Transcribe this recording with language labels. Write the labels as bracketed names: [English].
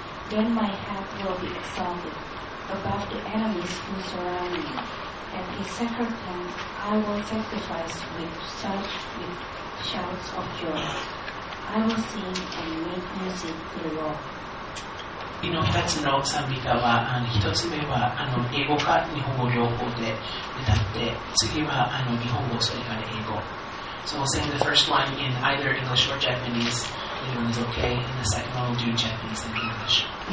[English] Then my head will be exalted above the enemies who surround me. At his sacred tent, I will sacrifice with shouts of joy. I will sing and make music to the Lord. [Japanese] 祈り二つの賛美歌は、一つ目は英語か日本語両方で歌って、次は日本語、それから英語。 [English] So we'll sing the first line in either English or Japanese. The other one is okay, and the second one will do Japanese and English.